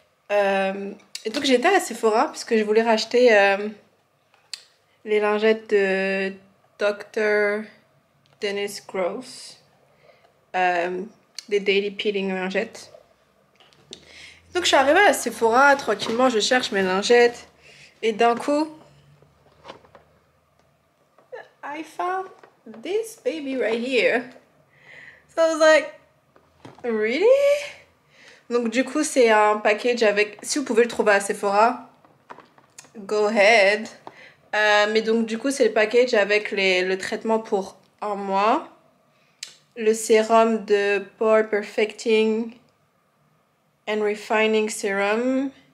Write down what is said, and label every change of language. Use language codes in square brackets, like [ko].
[fr] Et donc j'étais à Sephora parce que je voulais racheter les lingettes de Dr. Dennis Gross. Des Daily Peeling lingettes. Donc je suis arrivée à Sephora, tranquillement, je cherche mes lingettes. Et d'un coup... [en] I found this baby right here. So I was like, really? [fr] Donc du coup, c'est un package avec... Si vous pouvez le trouver à Sephora, [en] go ahead. [fr] Mais donc du coup, c'est le package avec le traitement pour un mois. Le sérum de Pore Perfecting and Refining Serum.